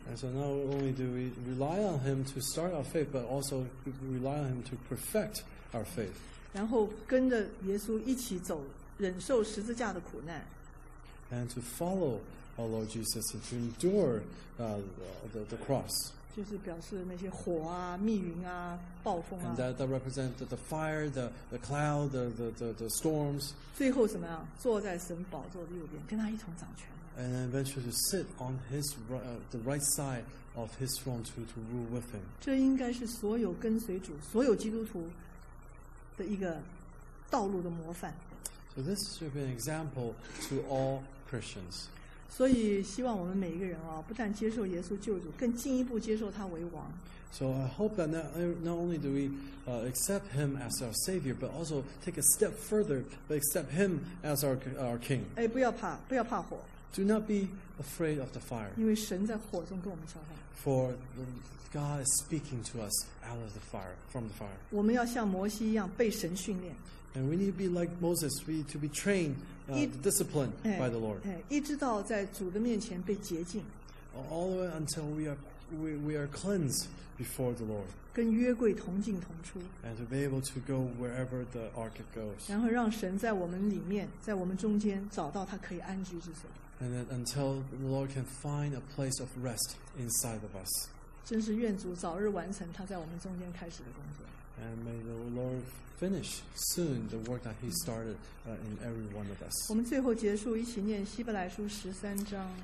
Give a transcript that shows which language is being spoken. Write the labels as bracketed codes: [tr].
[en] And so not only do we rely on him to start our faith, but also rely on him to perfect our faith. [zh] 然后跟着耶稣一起走，忍受十字架的苦难。 [en] And to follow our Lord Jesus and to endure the cross. [zh] 就是表示那些火啊、密云啊、暴风啊。 [en] And that represents the fire, the cloud, the storms. [zh] 最后怎么样？坐在神宝座的右边，跟他一同掌权。 [en] And then eventually to sit on his the right side of his throne to rule with him. [zh] 这应该是所有跟随主、所有基督徒的一个道路的模范。 [en] So this should be an example to all Christians. [zh] 所以希望我们每一个人啊，不但接受耶稣救主，更进一步接受他为王。 [en] So I hope that not only do we accept him as our Savior, but also take a step further, but accept him as our King. [zh] 哎，不要怕，不要怕火。 [en] Do not be afraid of the fire. [zh] 因为神在火中跟我们交谈。 [en] For God is speaking to us out of the fire, from the fire. [zh] 我们要像摩西一样被神训练。 [en] And we need to be like Moses, we need to be trained, disciplined by the Lord. [zh] 一直到在主的面前被洁净。 [en] All the way until we are we are cleansed before the Lord. [zh] 跟约柜同进同出。 [en] And to be able to go wherever the ark goes. [zh] 然后让神在我们里面，在我们中间找到他可以安居之所。 [en] And that until the Lord can find a place of rest inside of us. [zh] 真是愿主早日完成他在我们中间开始的工作。 [en] And may the Lord finish soon the work that He started in every one of us. [zh] 我们最后结束，一起念希伯来书十三章。